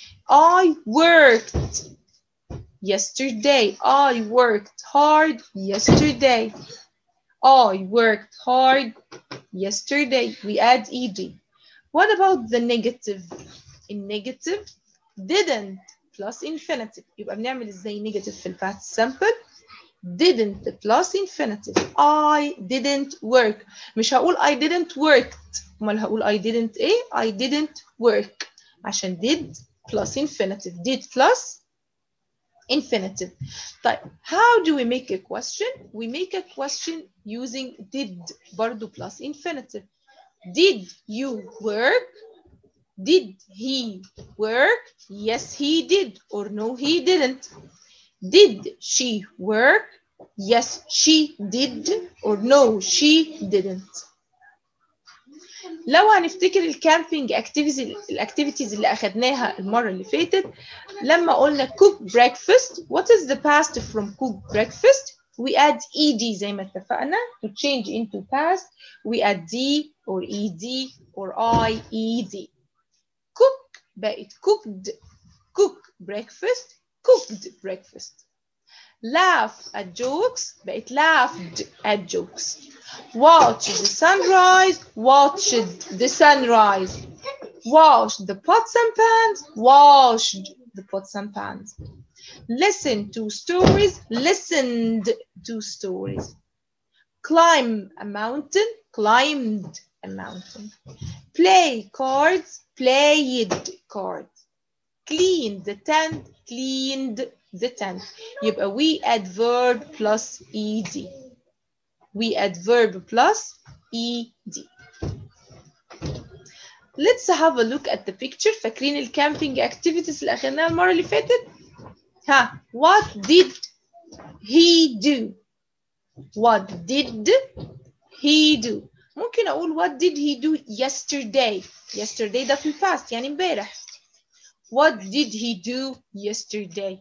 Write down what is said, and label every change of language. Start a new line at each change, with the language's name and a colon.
English: I worked yesterday. I worked hard yesterday. I worked hard yesterday. We add ED. What about the negative? In negative, didn't plus infinitive.
Arabic: يبقى بنعمل ازاي negative في الباست simple.
English: Didn't plus infinitive. I didn't work.
Arabic: مش هقول
English: I didn't worked.
Arabic: امال هقول
English: I didn't إيه؟ I didn't work.
Arabic: عشان
English: did plus infinitive. Did plus infinitive. طيب, how do we make a question? We make a question using did برضو plus infinitive. Did you work? Did he work? Yes, he did. Or no, he didn't. Did she work? Yes, she did. Or no, she didn't.
Arabic: لو هنفتكر الكامبينج الاكتيفيتيز اللي اخذناها المره اللي فاتت لما قلنا
English: cook breakfast, what is the past from cook breakfast? We add ed
Arabic: زي ما اتفقنا
English: to change into past. We add d or ed or ied. Cook بقت cooked. Cook breakfast. Cooked breakfast. Laugh at jokes, but laughed at jokes. Watch the sunrise, watched the sunrise. Wash the pots and pans, washed the pots and pans. Listen to stories, listened to stories. Climb a mountain, climbed a mountain. Play cards, played cards. Clean the tent, cleaned the tent. يبقى we add verb plus ed. We add verb plus ed. Let's have a look at the picture.
Arabic: فاكرين الكامبينج activities اللي اخذناها المرة اللي فاتت؟ ها,
English: what did he do? What did he do?
Arabic: ممكن اقول
English: what did he do yesterday?
Arabic: Yesterday ده في الباست يعني امبارح.
English: What did he do yesterday?